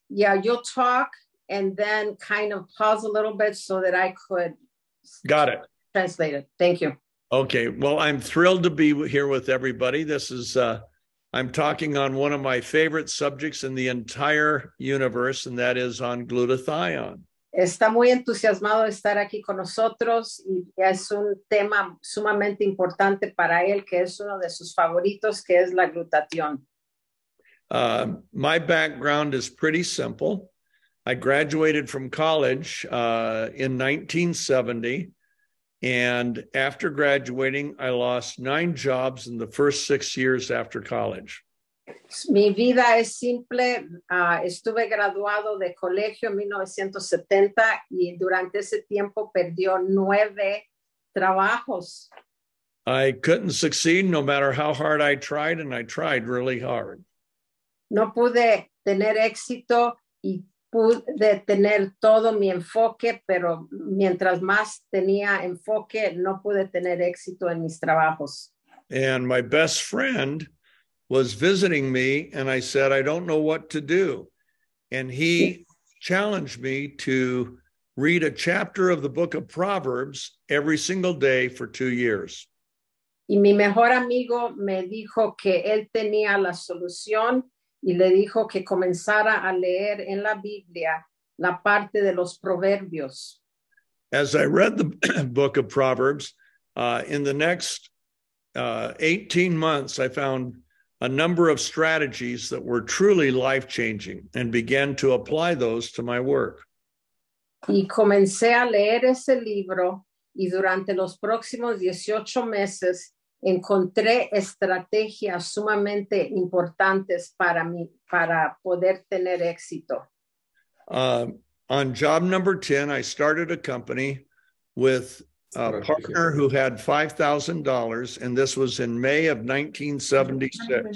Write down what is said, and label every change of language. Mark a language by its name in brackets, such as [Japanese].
[English] Yeah, you'll talk and then kind of pause a little bit so that I could. Got it. Translate it. Thank you. Okay. Well, I'm thrilled to be here with everybody. This is, I'm talking on one of my favorite subjects in the entire universe, and that is on glutathione. [Spanish] Está muy entusiasmado de estar aquí con nosotros y es un tema sumamente importante para él, que es uno de sus favoritos, que es la glutatión. [English] My background is pretty simple. I graduated from college in 1970, and after graduating, I lost 9 jobs in the first 6 years after college. [Spanish] Mi vida es simple. Estuve graduado de colegio en 1970 y durante ese tiempo perdió 9 trabajos. [English] I couldn't succeed no matter how hard I tried, and I tried really hard. [Spanish] No pude tener éxito y pude tener todo mi enfoque, pero mientras más tenía enfoque, no pude tener éxito en mis trabajos. [English] And my best friend was visiting me, and I said, I don't know what to do. And he challenged me to read a chapter of the book of Proverbs every single day for 2 years. [Spanish] Y mi mejor amigo me dijo que él tenía la solución y le dijo que comenzara a leer en la Biblia la parte de los proverbios. [English] As I read the book of Proverbs, in the next 18 months, I found a number of strategies that were truly life-changing and began to apply those to my work. [Spanish] Y comencé a leer ese libro y durante los próximos 18 meses encontré estrategias sumamente importantes para mí, para poder tener éxito. [English] On job number 10, I started a company with a partner who had $5,000, and this was in May of 1976.